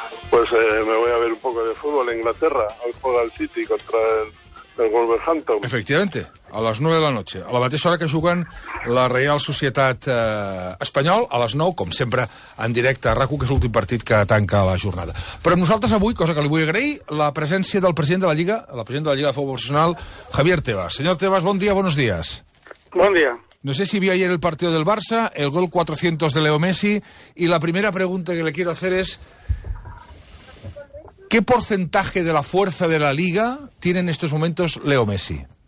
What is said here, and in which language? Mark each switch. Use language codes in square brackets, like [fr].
[es] Pues me voy a ver un poco de fútbol en Inglaterra. Hoy juega el City contra el Wolverhampton. Efectivamente, a les 9 de la noche. [ca] A la mateixa hora que juguen la Real Societat Espanyol, a les 9, com sempre, en directe a RAC1, que és l'últim partit que tanca la jornada. Però nosaltres avui, cosa que li vull agrair, la presència del president de la Lliga, la presidenta de la Lliga de Futbol Professional, Javier Tebas. Senyor Tebas, bon dia, buenos días. Bon dia. [es] No sé si vi ayer el partido del Barça, el gol 400 de Leo Messi, y la primera pregunta que le quiero hacer es... ¿Qué porcentaje de la fuerza de la Liga tiene en estos momentos Leo Messi?